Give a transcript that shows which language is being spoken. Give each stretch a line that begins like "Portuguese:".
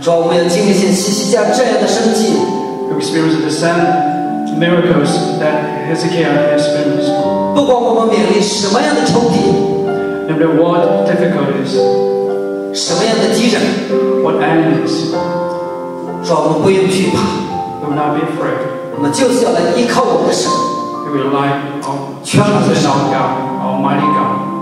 Chinese: 主啊，我们要经历一些西西家这样的生机。
English: We experience the same miracles that Hezekiah experienced.
Chinese: 不管我们面临什么样的仇敌。
English: No matter what difficulties.
Chinese: 什么样的敌人。
English: What enemies.
Chinese: 主啊，我们不用惧怕。
English: We will not be afraid.
Chinese: 我们就是要来依靠我们的神。
English: We will rely on trust in our God, Almighty God.